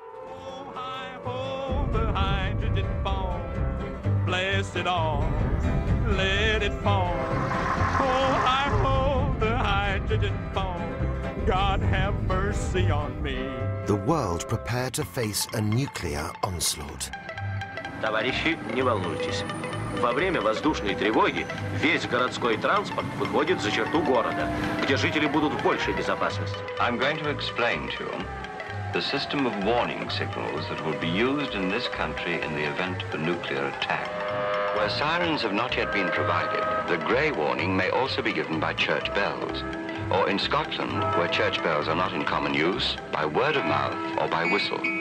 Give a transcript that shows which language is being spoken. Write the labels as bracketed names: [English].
[English] Oh, I hold the hydrogen bomb. Bless it all, let it fall. Oh, I hold the hydrogen bomb. God have mercy on me. The world prepared to face a nuclear onslaught. [Russian] Товарищи, не волнуйтесь. Во время воздушной тревоги весь городской транспорт выходит за черту города, где жители будут в большей безопасности. [English] I'm going to explain to you the system of warning signals that will be used in this country in the event of a nuclear attack. Where sirens have not yet been provided, the grey warning may also be given by church bells. Or in Scotland, where church bells are not in common use, by word of mouth or by whistle.